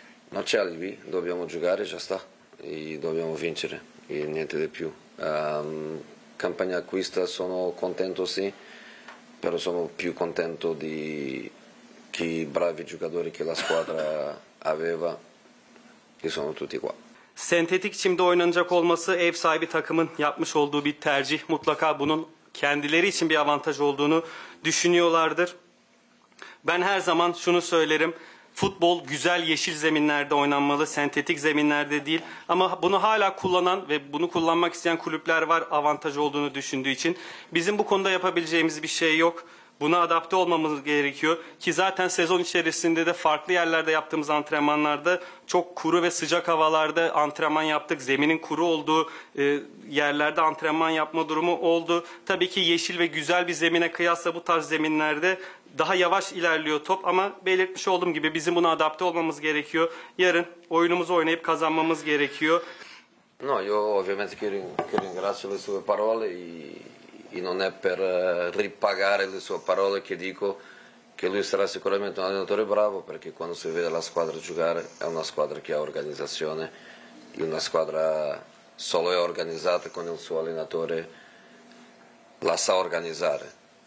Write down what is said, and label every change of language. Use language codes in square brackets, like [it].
[it] Non c'è alibi, dobbiamo giocare, già sta, e dobbiamo vincere, e niente di più. Campagna acquista sono contento sì, però sono più contento di chi bravi giocatori che la squadra aveva. [tr] Sentetik çimde oynanacak olması ev sahibi takımın yapmış olduğu bir tercih. Mutlaka bunun kendileri için bir avantaj olduğunu düşünüyorlardır. Ben her zaman şunu söylerim. Futbol güzel yeşil zeminlerde oynanmalı, sentetik zeminlerde değil. Ama bunu hala kullanan ve bunu kullanmak isteyen kulüpler var avantaj olduğunu düşündüğü için. Bizim bu konuda yapabileceğimiz bir şey yok. Buna adapte olmamız gerekiyor ki zaten sezon içerisinde de farklı yerlerde yaptığımız antrenmanlarda çok kuru ve sıcak havalarda antrenman yaptık. Zeminin kuru olduğu yerlerde antrenman yapma durumu oldu. Tabii ki yeşil ve güzel bir zemine kıyasla bu tarz zeminlerde daha yavaş ilerliyor top ama belirtmiş olduğum gibi bizim buna adapte olmamız gerekiyor. Yarın oyunumuzu oynayıp kazanmamız gerekiyor. [it] No, io ovviamente che ringrazio le sue parole e non è per ripagare le sue parole che dico che lui sarà sicuramente un allenatore bravo, perché quando si vede la squadra giocare è una squadra che ha organizzazione e una squadra solo è organizzata con il suo allenatore, la sa organizzare.